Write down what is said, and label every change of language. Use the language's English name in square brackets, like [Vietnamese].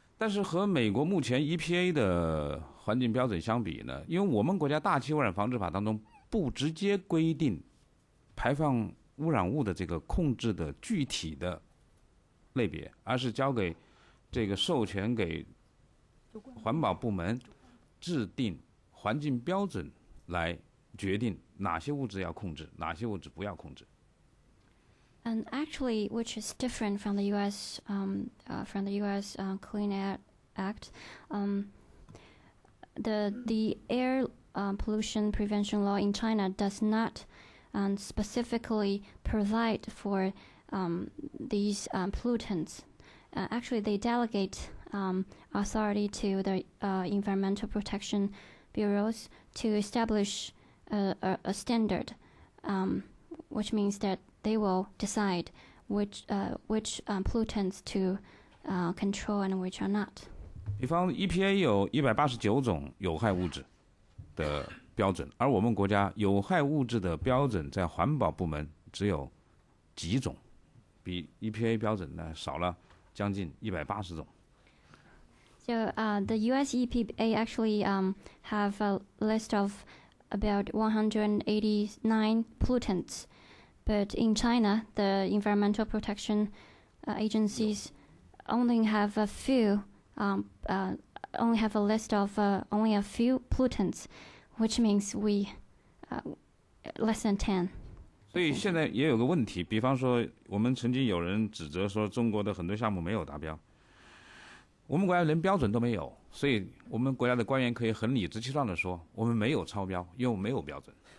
[Chinese] 但是和美国目前 EPA 的环境标准相比呢，因为我们国家大气污染防治法当中不直接规定排放污染物的这个控制的具体的类别，而是交给这个授权给环保部门制定环境标准来决定哪些物质要控制，哪些物质不要控制。 [English] And actually, which is different from the U.S. From the U.S. Clean Air Act, the air pollution prevention law in China does not specifically provide for these pollutants. Actually, they delegate authority to the Environmental Protection Bureaus to establish a standard, which means that they will decide which pollutants to control and which are not. [Chinese] 比方 EPA 有189种有害物质的标准，而我们国家有害物质的标准在环保部门只有几种，比 EPA 标准呢少了将近180种。 [English] So the US EPA actually have a list of about 189 pollutants, but in China, the Environmental Protection agencies only have a few, only have a list of only a few pollutants, which means we less than 10. [Chinese] 所以现在也有个问题，比方说我们曾经有人指责说中国的很多项目没有达标。我们国家连标准都没有，所以我们国家的官员可以很理直气壮地说，我们没有超标，因为我们没有标准。